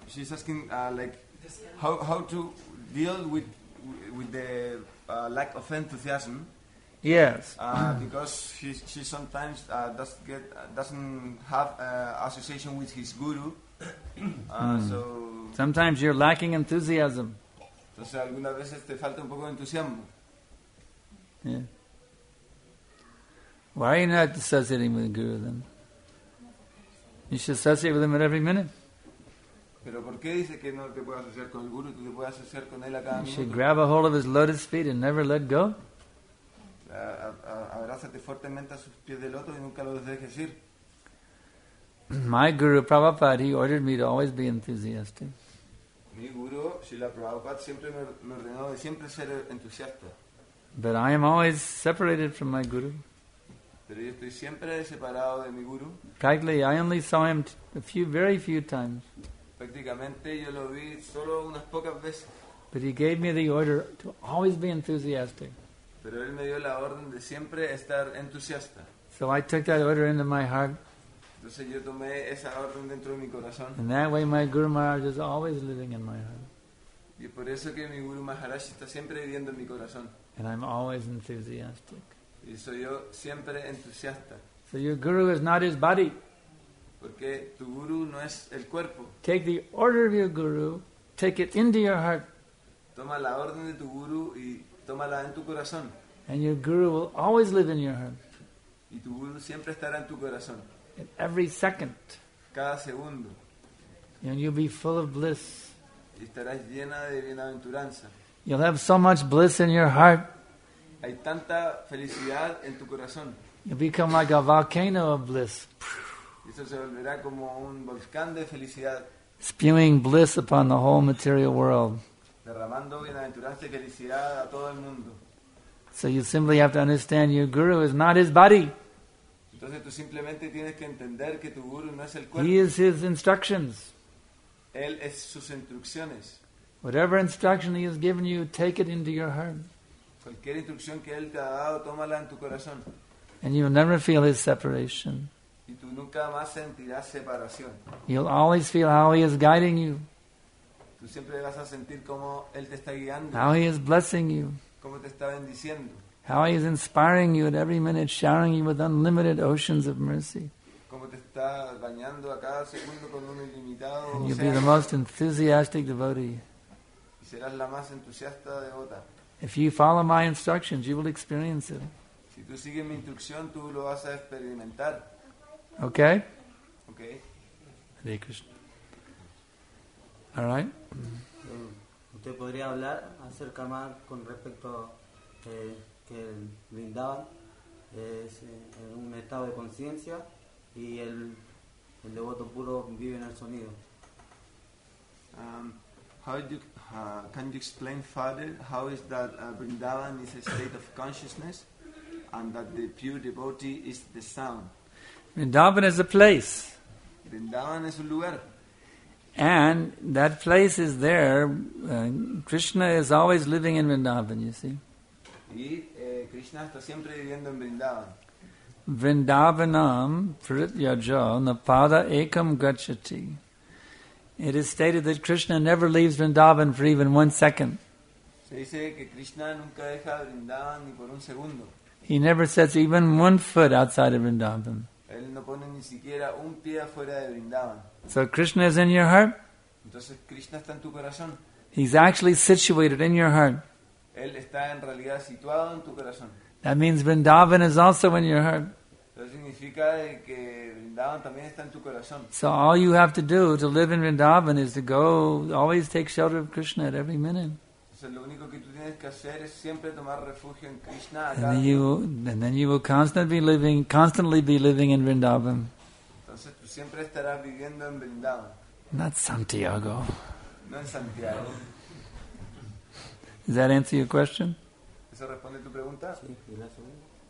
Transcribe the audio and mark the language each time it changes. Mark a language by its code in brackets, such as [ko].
[en] She's asking like how to deal with the lack of enthusiasm. Yes. Because she sometimes doesn't have association with his guru. So sometimes you're lacking enthusiasm. [es] Entonces algunas veces te falta un poco de entusiasmo. [en] Yeah. Why are you not associating with the guru then? You should associate with him at every minute. [es] Pero ¿por qué dice que no te puedes asociar con el guru? Tú te puedes asociar con él a cada minuto. [en] You should grab a hold of his lotus feet and never let go. [es] Abrázate fuertemente a sus pies del loto y nunca lo dejes ir. [en] My guru Prabhupada, he ordered me to always be enthusiastic. [es] Mi guru Srila Prabhupada siempre me ordenó de siempre ser entusiasta. [en] But I am always separated from my guru. [es] Pero yo estoy siempre separado de mi guru. [en] Practically, I only saw him very few times. [es] Prácticamente yo lo vi solo unas pocas veces. [en] But he gave me the order to always be enthusiastic. [es] Pero él me dio la orden de siempre estar entusiasta. [en] So I took that order into my heart. [es] Entonces yo tomé esa orden dentro de mi corazón. [en] And that way my Guru Maharaj is always living in my heart. [es] Y por eso que mi Guru Maharaj está siempre viviendo en mi corazón. [en] And I'm always enthusiastic. [es] Y soy yo siempre entusiasta. [en] So your Guru is not his body. [es] Porque tu Guru no es el cuerpo. [en] Take the order of your Guru, take it into your heart. [es] Toma la orden de tu Guru y tómala en tu corazón. [en] And your guru will always live in your heart. [es] Y tu guru siempre estará en tu corazón. [en] In every second. [es] Cada segundo. [en] And you'll be full of bliss. [es] Y estarás llena de bienaventuranza. [en] You'll have so much bliss in your heart. [es] Hay tanta felicidad en tu corazón. [en] You'll become like a volcano of bliss. [es] Y eso se volverá como un volcán de felicidad. [en] Spewing bliss upon the whole material world. [es] Derramando bienaventuranza y felicidad a todo el mundo. [en] So you simply have to understand your guru is not his body. [es] Entonces tú simplemente tienes que entender que tu guru no es el cuerpo. [en] He is his instructions. [es] Él es sus instrucciones. [en] Whatever instruction he has given you, take it into your heart. [es] Cualquier instrucción que él te ha dado, tómala en tu corazón. [en] And you will never feel his separation. [es] Y tú nunca más sentirás separación. [en] You'll always feel how he is guiding you. [es] Tú siempre vas a sentir cómo él te está guiando. [en] How he is blessing you. [es] Cómo te está bendiciendo. [en] How he is inspiring you at every minute, showering you with unlimited oceans of mercy. [es] Cómo te está bañando a cada segundo con un ilimitado. [en] And you'll be the most enthusiastic devotee. [es] Y serás la más entusiasta devota. [en] If you follow my instructions, you will experience it. [es] Si tú sigues mi instrucción, tú lo vas a experimentar. [en] Okay. Okay. Hare Krishna. All right. [es] ¿Usted podría hablar acerca más con respecto que el Vrindavan es en un estado de conciencia y el devoto puro vive en el sonido? [en] Can you explain further how is that Vrindavan is a state of consciousness and that the pure devotee is the sound? Vrindavan is a place. [es] Vrindavan es un lugar. [en] And that place is there. Krishna is always living in Vrindavan, you see. [es] Y Y Krishna está siempre viviendo en Vrindavan. [sa] Vrindavanam prityajo napada ekam gachati. [en] It is stated that Krishna never leaves Vrindavan for even 1 second. [es] Se dice que Krishna nunca deja Vrindavan ni por un segundo. [en] He never sets even 1 foot outside of Vrindavan. [es] Él no pone ni siquiera un pie fuera de Vrindavan. [en] So Krishna is in your heart. [es] Entonces Krishna está en tu corazón. [en] He's actually situated in your heart. [es] Él está en realidad situado en tu corazón. [en] That means Vrindavan is also in your heart. [es] Eso significa que Vrindavan también está en tu corazón. [en] So all you have to do to live in Vrindavan is to go, always take shelter of Krishna at every minute. [es] Entonces, lo único que tú tienes que hacer es siempre tomar refugio en Krishna. [en] And then you will constantly be living in Vrindavan. [es] Entonces tú siempre estarás viviendo en Vrindavan. [en] Not Santiago. [es] No en Santiago. [en] Does that answer your question? [es] ¿Eso responde tu pregunta? Sí, la segunda.